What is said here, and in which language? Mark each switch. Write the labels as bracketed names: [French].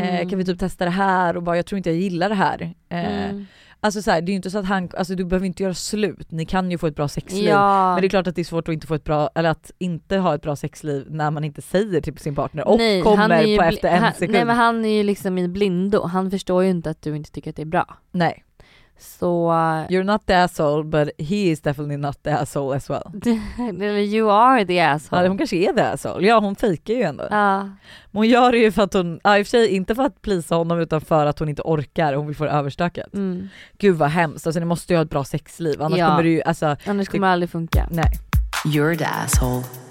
[Swedish] Kan vi typ testa det här, och bara, jag tror inte jag gillar det här. Alltså så här, det är ju inte så att han, alltså du behöver inte göra slut. Ni kan ju få ett bra sexliv. Ja. Men det är klart att det är svårt att inte få ett bra, eller att inte ha ett bra sexliv när man inte säger till sin partner och nej, kommer på efter en sekund. Nej, men han är ju liksom i blindo. Han förstår ju inte att du inte tycker att det är bra. Nej. Så [English] you're not the asshole, but he is definitely not the asshole as well. You are the asshole. [Swedish] Ja, hon kanske är [English] the asshole. [Swedish] Ja, hon fejkar ju ändå. Ja. Men hon gör det ju för att hon, ja, i och för sig inte för att plisa honom, utan för att hon inte orkar, hon vill få överstökat. Mm. Gud vad hemskt. Alltså ni måste ju ha ett bra sexliv, annars ja, kommer det ju, alltså, annars kommer det aldrig funka. Nej. [English] You're the asshole.